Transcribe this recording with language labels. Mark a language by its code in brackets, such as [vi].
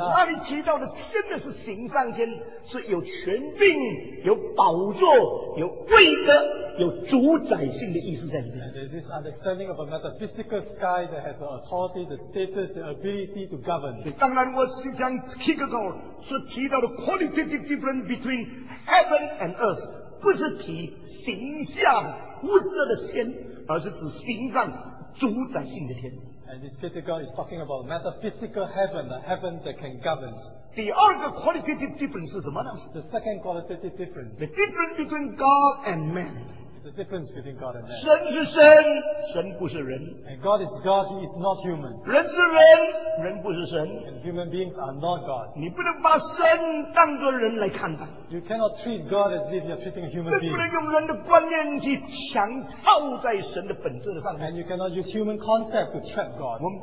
[zh] 那里提到的天的是形上天, 是有权柄, 有宝座, 有威德, 有主宰性的意思在里面。 [en] And there's this understanding of a metaphysical sky that has the authority, the status, the ability to govern. [zh] 当然我是想 [en] kick a goal, [zh] 是提到的 [en] qualitative difference between heaven and earth, [zh] 不是提形象物质的天, 而是指形上主宰性的天。 [en] And this critical is talking about metaphysical heaven, a heaven that can govern. [zh] 第二个 [en] qualitative difference [zh] 是什么呢? [en] The second qualitative difference. The difference between God and man. It's the difference between God and man. [zh] 神是神, 神不是人。 [en] And God is God, He is not human. [zh] 人是人, 人不是神。 [en] And human beings are not God. [zh] 你不能把神当作人来看待。 [en] You cannot treat God as if you're treating a human being. [zh] 不能用人的观念去强套在神的本质上。 [en] And you cannot use human concept to trap God.